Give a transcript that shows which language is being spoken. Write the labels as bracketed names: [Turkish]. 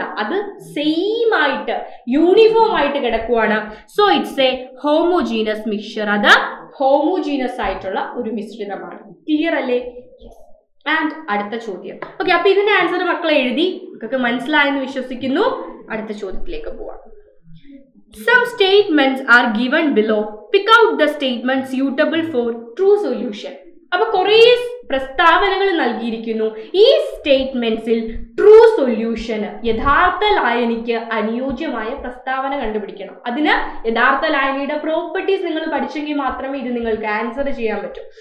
[Malayalam] അത് സെയിം ആയിട്ട് യൂണിഫോം ആയിട്ട് കിടക്കുവാണ്. [English] So it's a homogeneous mixture. [Malayalam] അത് ഹോമോജീനസ് ആയിട്ടുള്ള ഒരു മിശ്രിതമാണ്. ക്ലിയർ അല്ലേ? ആൻഡ് അടുത്ത ചോദ്യം. ഓക്കെ, അപ്പൊ ഇതിന്റെ ആൻസർ മക്കൾ എഴുതി, മക്കൾക്ക് മനസ്സിലായെന്ന് വിശ്വസിക്കുന്നു. അടുത്ത ചോദ്യത്തിലേക്ക് പോവാം. [English] Some statements are given below. Pick out the statements suitable for true solution. [Malayalam] അപ്പൊ കുറേ പ്രസ്താവനകൾ നൽകിയിരിക്കുന്നു. ഈ സ്റ്റേറ്റ്മെന്റ്സിൽ ട്രൂ സൊല്യൂഷൻ, യഥാർത്ഥ ലായനിക്ക് അനുയോജ്യമായ പ്രസ്താവന കണ്ടുപിടിക്കണം. അതിന് യഥാർത്ഥ ലായനിയുടെ പ്രോപ്പർട്ടീസ് നിങ്ങൾ പഠിച്ചെങ്കിൽ മാത്രമേ ഇത് നിങ്ങൾക്ക് ആൻസർ ചെയ്യാൻ പറ്റൂ.